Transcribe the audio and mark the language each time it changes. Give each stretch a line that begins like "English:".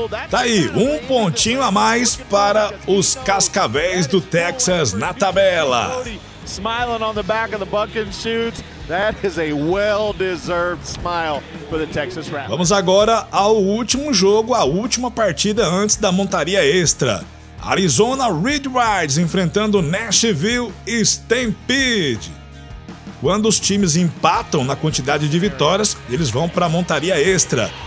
Portuguese: Tá aí, um pontinho a mais para os Cascavéis do Texas na tabela.
English: Smiling on the back of the bucking suits. That is a well-deserved smile for the Texas Rattlers.
Portuguese: Vamos agora ao último jogo, a última partida antes da montaria extra. Arizona Redwriters enfrentando Nashville Stampede. Quando os times empatam na quantidade de vitórias, eles vão para a montaria extra.